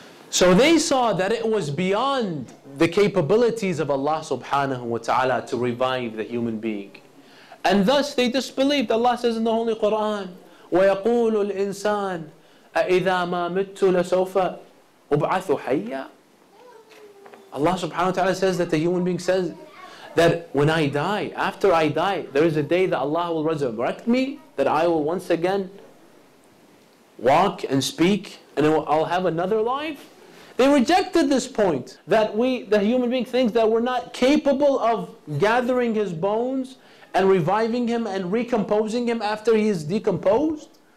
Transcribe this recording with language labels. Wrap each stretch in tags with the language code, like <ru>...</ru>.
<en>So they saw that it was beyond the capabilities of Allah subhanahu wa ta'ala to revive the human being. And thus they disbelieved. Allah says in the Holy Quran,</en> <ar>وَيَقُولُ الْإِنسَانُ أَإِذَا مَا مِتُّ لَسَوْفَ أُبْعَثُ حَيَّا.</ar> <en>Allah subhanahu wa ta'ala says that the human being says that when I die, after I die, there is a day that Allah will resurrect me, that I will once again walk and speak, and I'll have another life. They rejected this point that we, the human being, thinks that we're not capable of gathering his bones and reviving him and recomposing him after he is decomposed.</en>